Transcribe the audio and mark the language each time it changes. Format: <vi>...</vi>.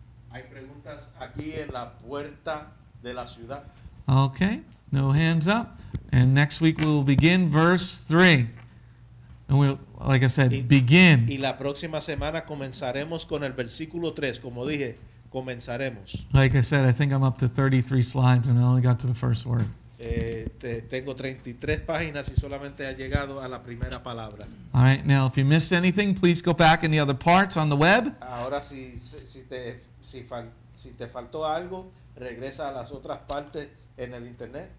<es>Hay preguntas aquí en la puerta de la ciudad.</es> <en>Okay, no hands up. And next week we will begin verse 3. And we'll, like I said, begin.</en> <es>Y la próxima semana comenzaremos con el versículo 3, como dije. Comenzaremos.</es> <en>Like I said, I think I'm up to 33 slides and I only got to the first word.</en> <es>Tengo 33 páginas y solamente ha llegado a la primera palabra.</es> <en>All right, now if you missed anything, please go back in the other parts on the web.</en> <es>Ahora si te faltó algo, regresa a las otras partes en el internet.</es>